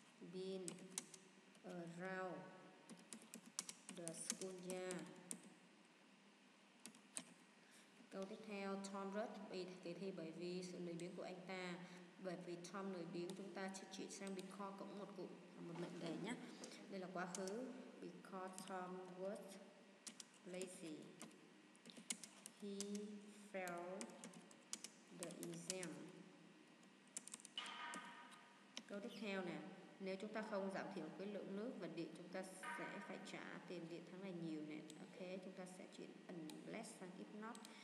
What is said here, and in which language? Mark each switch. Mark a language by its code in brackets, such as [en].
[en] Been around the school yard. [vi] Câu tiếp theo, Tom rất bị kỳ thi bởi vì sự lười biếng của anh ta. Bởi vì Tom lười biếng, chúng ta sẽ chuyển sang because cũng một cụm, một mệnh đề nhé. Đây là quá khứ. [en] Because Tom was lazy, he failed the exam. [vi] Câu tiếp theo nè, nếu chúng ta không giảm thiểu cái lượng nước và điện, chúng ta sẽ phải trả tiền điện tháng này nhiều nè. Ok, chúng ta sẽ chuyển unless sang if not.